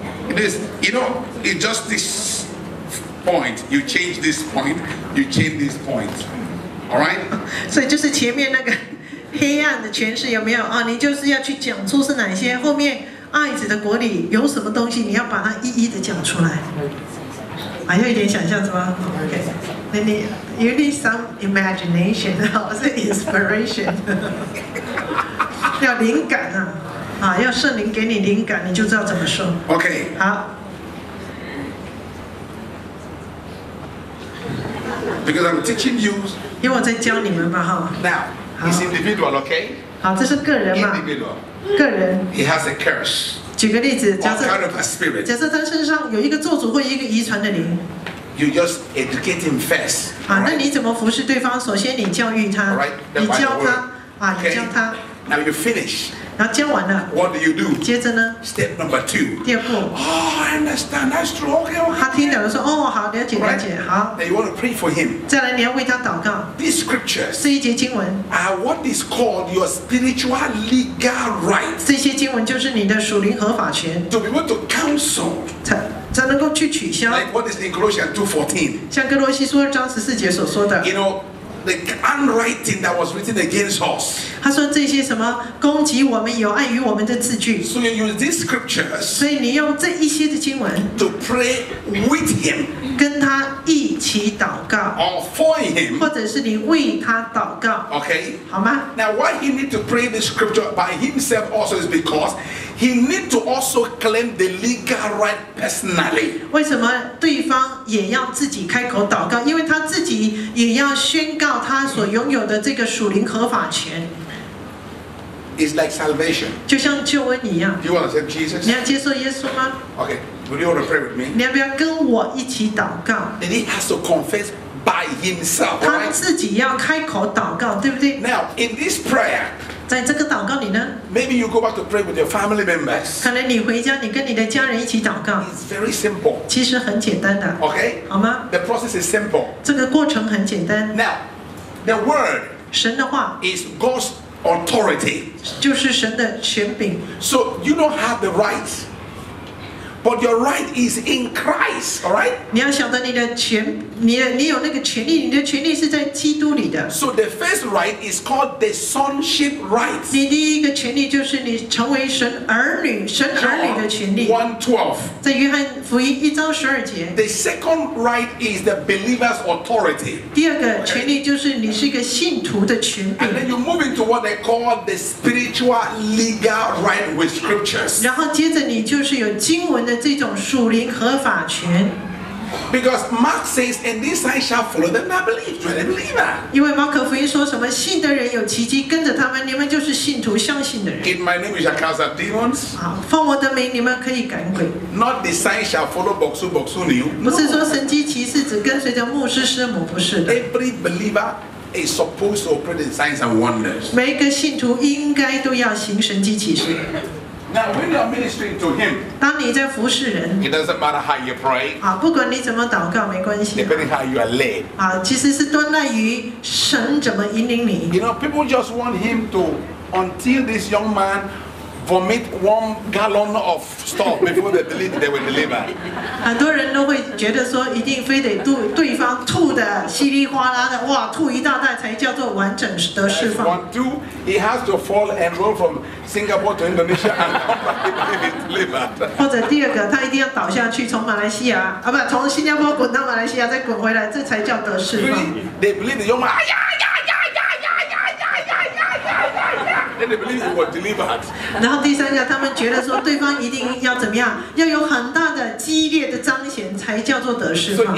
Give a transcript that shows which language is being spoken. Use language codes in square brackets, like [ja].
[en] It is, you know, it's just this point. You change this point, you change this point. All right? [zh] 所以就是前面那个黑暗的权势有没有啊？你就是要去讲出是哪些，后面爱子的国里有什么东西，你要把它一一的讲出来。还有一点想象是吗 ？OK， 那你 [en] you need some imagination [zh] 或是 inspiration， 要灵感啊。啊，要圣灵给你灵感，你就知道怎么说。 [en] OK， [zh] 好。 [en] Because I'm teaching you， [zh] 因为我在教你们吧，哈。 [en] Now it's individual, OK？ [zh] 好，这是个人嘛。 [en] Individual， [zh] 个人。 [en] He has a curse。 [zh] 举个例子，假设 [en] kind of a spirit， [zh] 假设他身上有一个咒诅或一个遗传的灵。 [en] You just educate him first。 [zh] 啊，那你怎么服侍对方？首先你教育他，你教他，啊，你教他。 [en] Now you finish。 [zh] 然后教完了 [en] ，What do you do？ [zh] 接着呢 [en] ？Step number two。 [zh] 第二步。 [en] Oh, I understand. That's true. Okay, okay. [zh] 他听懂了，说：“哦，好，了解，了解，好。” [en] Then you want to pray for him。 [zh] 再来，你要为他祷告。 [en] These scriptures。 [zh] 这一节经文。 [en] Are what is called your spiritual legal right。 [zh] 这些经文就是你的属灵合法权。 [en] To be able to counsel。 [zh] 才能够去取消。 [en] Like what is in Colossians 2:14？ [zh] 像哥罗西书二章十四节所说的。 [en] You know。 The handwriting that was written against us. [zh] 他说这些什么攻击我们有碍于我们的字句。 [en] So you use these scriptures. [zh] 所以你用这一些的经文。 [en] To pray with him. [zh] 跟他一起祷告。 [en] Or for him. [zh] 或者是你为他祷告。 [en] Okay. [zh] 好吗 [en] ？Now why he need to pray this scripture by himself also is because he need to also claim the legal right personally. [zh] 为什么对方也要自己开口祷告？因为他自己也要宣告。告他所拥有的这个属灵合法权 [en] ，is like salvation， [zh] 就像救恩一样。 [en] You want to accept Jesus？ [zh] 你要接受耶稣吗 [en] ？Okay， would you want to pray with me？ [zh] 你要不要跟我一起祷告 [en] ？Then he has to confess by himself， [zh] 他自己要开口祷告，对不对 [en] ？Now in this prayer， [zh] 在这个祷告里呢 [en] ？Maybe you go back to pray with your family members。 [zh] 可能你回家，你跟你的家人一起祷告。 [en] It's very simple。 [zh] 其实很简单的。 [en] Okay， [zh] 好吗 [en] ？The process is simple。 [zh] 这个过程很简单。 [en] Now。 The word [zh] 神的话 [en] is God's authority, [zh] 就是神的权柄 [en] So you don't have the right, But your right is in Christ, all right? [zh] 你要晓得你的权，你的你有那个权利，你的权利是在基督里的。 [en] So the first right is called the sonship right. [zh] 你第一个权利就是你成为神儿女，神儿女的权利。 [en] 1:12. [zh] 在约翰福音一章十二节。 [en] The second right is the believer's authority. [zh] 第二个权利就是你是一个信徒的权柄。 [en] And then you move into what they call the spiritual legal right with scriptures. [zh] 然后接着你就是有经文。的这种属灵合法权 [en] ，because Mark says, and this I shall follow them that believe, the believer. [zh] 因为马可福音说什么信的人有奇迹，跟着他们，你们就是信徒，相信的人。 [en] In my name you shall cast out demons. [zh] 啊，奉我的名，你们可以赶鬼。 [en] Not the sign shall follow Boksu Niu. [zh] 不是说神迹奇事只跟随着牧师师母，不是的。 [en] Every believer is supposed to operate in signs and wonders. [zh] 每个信徒应该都要行神迹奇事。 [en] Now, when you are ministering to him, [zh] 当你在服侍人 [en] it doesn't matter how you pray. [zh] 啊，不管你怎么祷告，没关系。 [en] Depending how you are led. [zh] 啊，其实是端赖于神怎么引领你。 [en] You know, people just want him to, until this young man vomit 1 gallon of stuff before they deliver, they will deliver. [zh] 很多人都会觉得说，一定非得对方吐的稀里哗啦的，哇，吐一大袋才叫做完整的释放。 [en] One, two, he has to fall and roll from Singapore to Indonesia and come back to deliver. [zh] 或者第二个，他一定要倒下去，从马来西亚啊，不，从新加坡滚到马来西亚，再滚回来，这才叫得释放。 [en] Really, they believe the young man. 哎呀呀！ Then they believe it was delivered. [zh] 然后第三个，他们觉得说对方一定要怎么样，要有很大的激烈的彰显才叫做得释放。